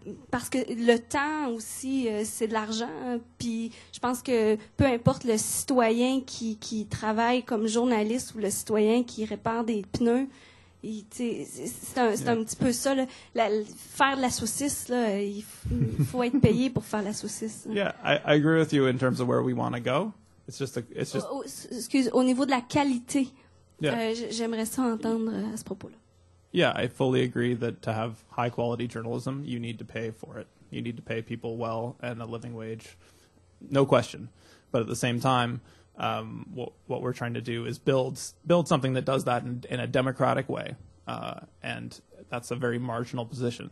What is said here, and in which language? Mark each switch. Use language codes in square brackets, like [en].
[fr] Parce que le temps aussi, c'est de l'argent. Hein, puis je pense que peu importe le citoyen qui travaille comme journaliste ou le citoyen qui répare des pneus, c'est un petit peu ça. Là, faire de la saucisse, là, il faut être payé pour faire la saucisse. Hein. [en] Yeah, I agree with you in terms of where we want to go. It's just [fr] au niveau de la qualité, j'aimerais ça entendre à ce propos-là. [en] Yeah, I fully agree that to have high quality journalism, you need to pay for it. You need to pay people well and a living wage, no question. But at the same time, what we're trying to do is build something that does that in a democratic way, and that's a very marginal position.